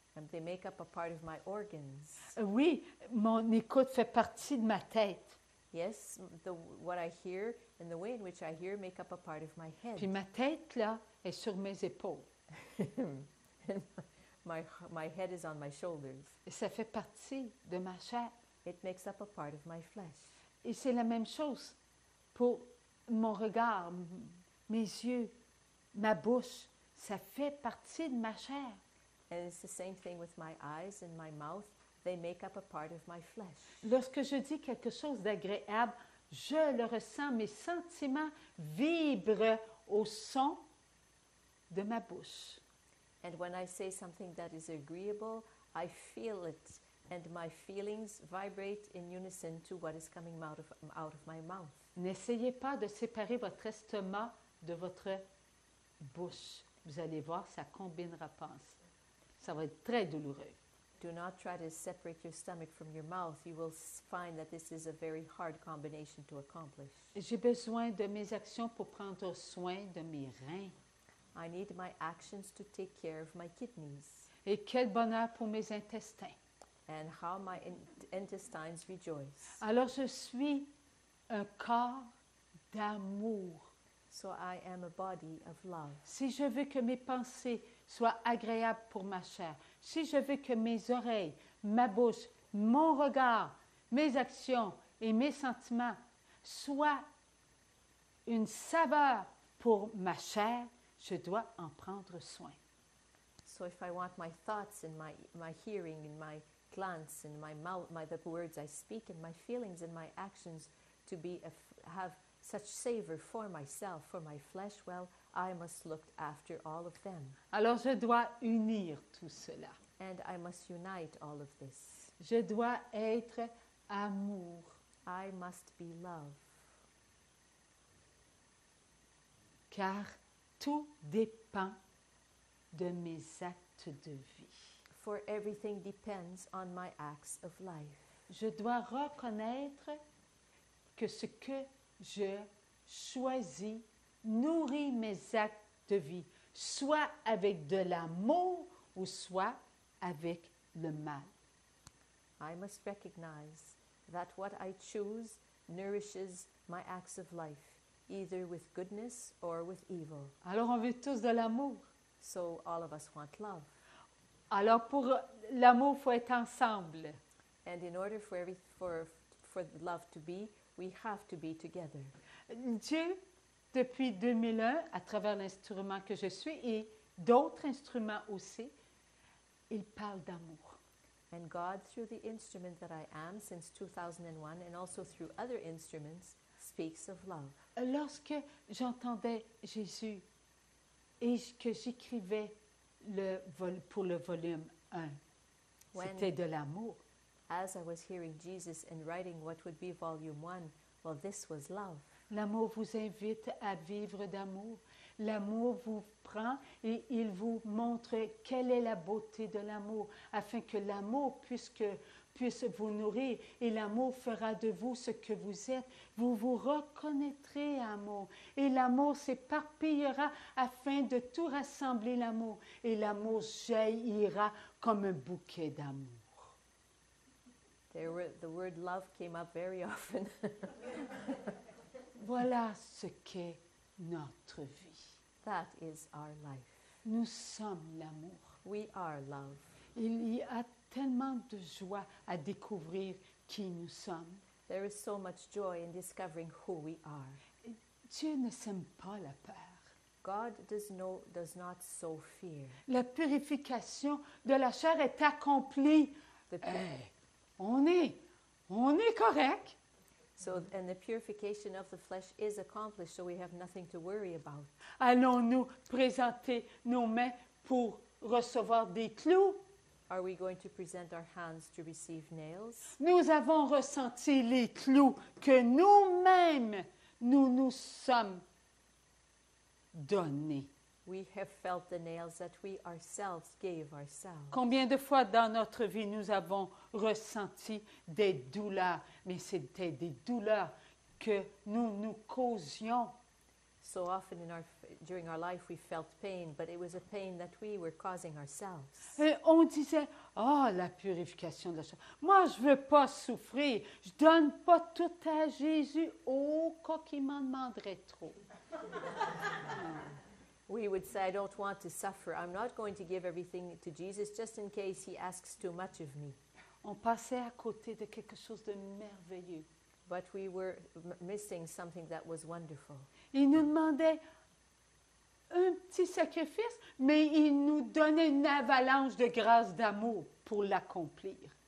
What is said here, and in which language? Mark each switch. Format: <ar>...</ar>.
<en>And they make up a part of my organs.</en> <fr>Oui, mon écoute fait partie de ma tête.</fr> <en>Yes, what I hear and the way in which I hear make up a part of my head.</en> <fr>Puis ma tête là est sur mes épaules.</fr> <en>my head is on my shoulders.</en> <fr>Et ça fait partie de ma chair.</fr> <en>It makes up a part of my flesh.</en> <fr>Et c'est la même chose pour mon regard, mes yeux, ma bouche. Ça fait partie de ma chair.</fr> <en>And it's the same thing with my eyes and my mouth. They make up a part of my flesh.</en> <fr>Lorsque je dis quelque chose d'agréable, je le ressens. Mes sentiments vibrent au son de ma bouche.</fr> <en>And when I say something that is agreeable, I feel it. And my feelings vibrate in unison to what is coming out of my mouth.</en> <fr>N'essayez pas de séparer votre estomac de votre bouche. Vous allez voir, ça combinera pas. Ça va être très douloureux.</fr> <en>Do not try to separate your stomach from your mouth. You will find that this is a very hard combination to accomplish.</en> <fr>J'ai besoin de mes actions pour prendre soin de mes reins.</fr> <en>I need my actions to take care of my kidneys.</en> <fr>Et quel bonheur pour mes intestins.</fr> <en>And how my intestines rejoice.</en> <fr>Alors je suis un corps d'amour.</fr> <en>So I am a body of love.</en> <fr>Si je veux que mes pensées soient agréables pour ma chair, si je veux que mes oreilles, ma bouche, mon regard, mes actions et mes sentiments soient une saveur pour ma chair, je dois en prendre soin.</fr> <en>So if I want my thoughts and my hearing and my glance and my mouth, the words I speak and my feelings and my actions to be have such savor for myself, for my flesh, well, I must look after all of them.</en> <fr>Alors, je dois unir tout cela.</fr> <en>And I must unite all of this.</en> <fr>Je dois être amour.</fr> <en>I must be love.</en> <fr>Car tout dépend de mes actes de vie.</fr> <en>For everything depends on my acts of life.</en> <fr>Je dois reconnaître que ce que je choisis nourrit mes actes de vie, soit avec de l'amour ou soit avec le mal.</fr> <en>I must recognize that what I choose nourishes my acts of life, either with goodness or with evil.</en> <fr>Alors on veut tous de l'amour.</fr> <en>So all of us want love.</en> <fr>Alors, pour l'amour, il faut être ensemble.</fr> <en>And in order for love to be, we have to be together.</en> <fr>Dieu, depuis 2001, à travers l'instrument que je suis, et d'autres instruments aussi, il parle d'amour.</fr> <en>And God, through the instrument that I am, since 2001, and also through other instruments, speaks of love.</en> <fr>Lorsque j'entendais Jésus et que j'écrivais pour le volume 1.</fr> <en>When,</en> <fr>c'était de l'amour.</fr> <en>As I was hearing Jesus and writing what would be volume 1, well, this was love.</en> <fr>L'amour vous invite à vivre d'amour. L'amour vous prend et il vous montre quelle est la beauté de l'amour, afin que l'amour puisse vous nourrir et l'amour fera de vous ce que vous êtes. Vous vous reconnaîtrez, amour, et l'amour s'éparpillera afin de tout rassembler l'amour, et l'amour jaillira comme un bouquet d'amour.</fr> <en>The word love came up very often.</en> <fr>Voilà ce qu'est notre vie.</fr> <en>That is our life.</en> <fr>Nous sommes l'amour.</fr> <en>We are love.</en> <fr>Il y a tellement de joie à découvrir qui nous sommes.</fr> <en>There is so much joy in discovering who we are.</en> <fr>Dieu ne sème pas la peur.</fr> <en>God does not sow fear.</en> <fr>La purification de la chair est accomplie. On est correct.</fr> <en>So, and the purification of the flesh is accomplished, so we have nothing to worry about.</en> <fr>Allons-nous présenter nos mains pour recevoir des clous?</fr> <en>Are we going to present our hands to receive nails?</en> <fr>Nous avons ressenti les clous que nous-mêmes nous nous sommes donnés.</fr> <en>We have felt the nails that we ourselves gave ourselves.</en> <fr>Combien de fois dans notre vie nous avons ressenti des douleurs, mais c'était des douleurs que nous nous causions.</fr> <en>So often during our life we felt pain, but it was a pain that we were causing ourselves.</en> <fr>Et on disait, oh, la purification de la chair. Moi, je veux pas souffrir. Je donne pas tout à Jésus. Oh, quoi qu'il m'en demanderait trop.</fr> <en>We would say, I don't want to suffer. I'm not going to give everything to Jesus just in case he asks too much of me.</en> <fr>On passait à côté de quelque chose de merveilleux.</fr> <en>But we were missing something that was wonderful.</en> <fr>Il nous demandait un petit sacrifice, mais il nous donnait une avalanche de grâce d'amour pour l'accomplir.</fr>